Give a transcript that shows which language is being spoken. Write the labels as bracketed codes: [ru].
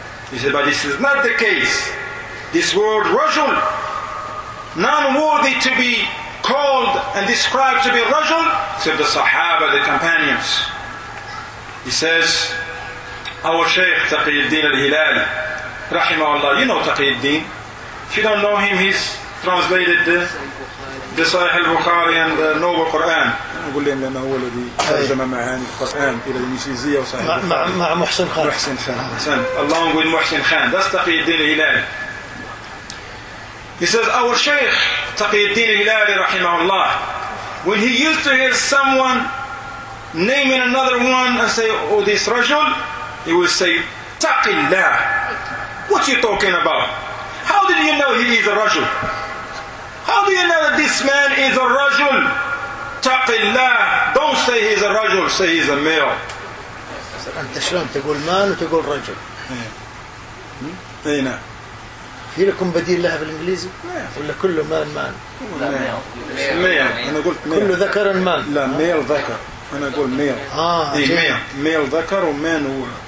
[en] He said, but this is not the case. This word, Rajul, non-worthy to be called and described to be Rajul, except the Sahaba, the companions. He says, our Shaykh Taqiyuddin al-Hilal, rahimahullah, you know Taqiyuddin. If you don't know him, he's translated the Sahih al-Bukhari and the Noble Qur'an. [ar] أقول لي أنه هو الذي ترجم معاني القرآن إلى الإنجليزية وصحيح مع محسن خان. محسن خان. حسن. الله يقول محسن خان. [en] That's تقي الدين الهلالي. He says our شيخ تقي الدين الهلالي رحمه الله. When he used to hear someone naming another one and say, oh, this رجل, he will say, تقي الله. What are you talking about? How did you know he is a رجل? How do you know that this man is a رجل? Taqillah, don't say he's a rajul, say he's a male. [ar] أنت شلون تقول مال وتقول رجل؟ أين؟ في لكم بديل لها بالإنجليزي؟ ولا كله مال مال؟ مال. أنا قلت مال. كله ذكر مال. لا مال ذكر. أنا أقول مال. مال ذكر ومال هو.